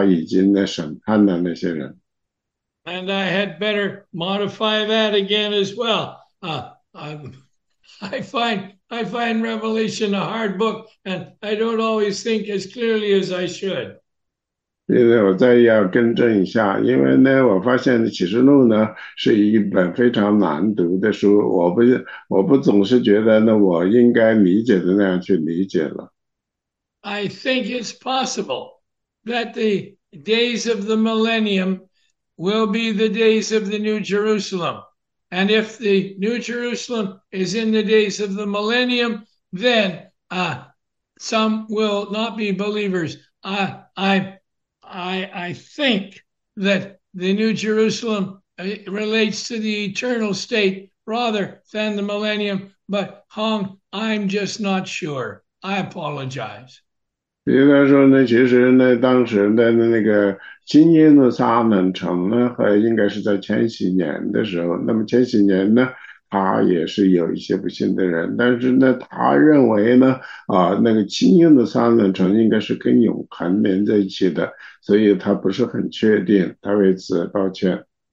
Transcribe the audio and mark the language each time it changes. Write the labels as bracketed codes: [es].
[zh] 所以呢，就是说呢，神呢，在就是说新耶路撒冷城降下来之前，他已经呢审判了那些人。 [en] And I had better modify that again as well. I find Revelation a hard book, and I don't always think as clearly as I should. [zh] 现在我再要更正一下，因为呢，我发现《启示录》呢是一本非常难读的书，我不总是觉得呢，我应该理解的那样去理解了。 [en] I think it's possible that the days of the millennium will be the days of the New Jerusalem. And if the New Jerusalem is in the days of the millennium, then some will not be believers. I think that the New Jerusalem relates to the eternal state rather than the millennium. But Hong, I'm just not sure. I apologize. [zh] 应该说呢，其实呢，当时的那个新耶路撒冷城呢，和应该是在千禧年的时候，那么千禧年呢，他也是有一些不信的人，但是呢，他认为呢，那个新耶路撒冷城应该是跟永恒连在一起的，所以他不是很确定，他为此抱歉。